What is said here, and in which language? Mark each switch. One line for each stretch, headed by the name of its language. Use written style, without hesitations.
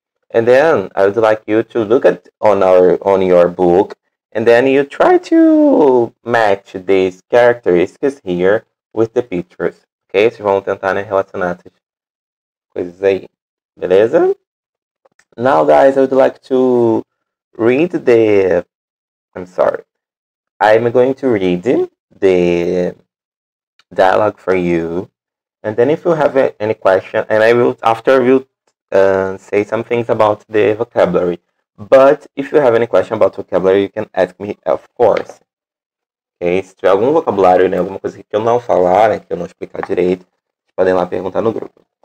English: And then I would like you to look at on your book, and then you try to match these characteristics here with the pictures. Okay?
Portuguese: Vocês vão tentar, né, relacionar essas coisas aí. Beleza?
English: Now, guys, I would like to read the... I'm sorry. I'm going to read the dialogue for you. And then if you have any question, and I will, after I will say some things about the vocabulary. But if you have any question about vocabulary, you can ask me, of course.
Portuguese: Okay, se tiver algum vocabulário, né, alguma coisa que eu não falar, né, que eu não explicar direito, vocês podem lá perguntar no grupo.